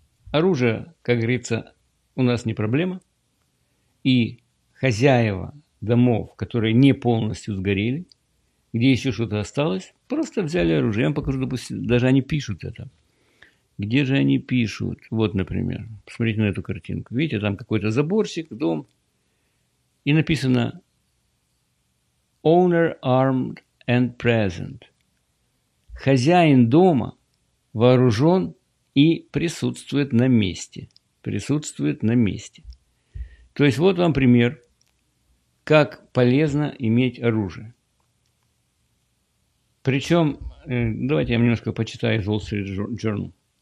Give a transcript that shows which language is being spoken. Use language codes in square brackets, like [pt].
[ru] Оружие, как говорится, у нас не проблема. И хозяева домов, которые не полностью сгорели, где еще что-то осталось, просто взяли оружие. Я вам покажу, допустим, даже они пишут это. Где же они пишут? Вот, например, посмотрите на эту картинку. Видите, там какой-то заборчик, дом. И написано [en] «Owner armed and present». [ru] Хозяин дома вооружен и присутствует на месте. Присутствует на месте. То есть вот вам пример, как полезно иметь оружие. Причем, давайте я немножко почитаю из Wall Street Journal.